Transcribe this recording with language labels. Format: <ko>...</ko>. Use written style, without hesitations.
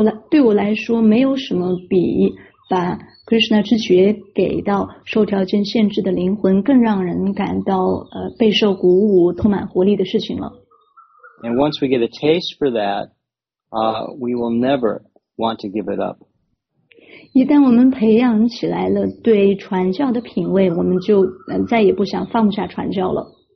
<zh>对我来说没有什么比把 Krishna 之觉给到受条件限制的灵魂更让人感到备受鼓舞充满活力的事情了</zh> <en>And once we get a taste for that we will never want to give it up</en> <zh>一旦我们培养起来了对传教的品味我们就再也不想放下传教了</zh>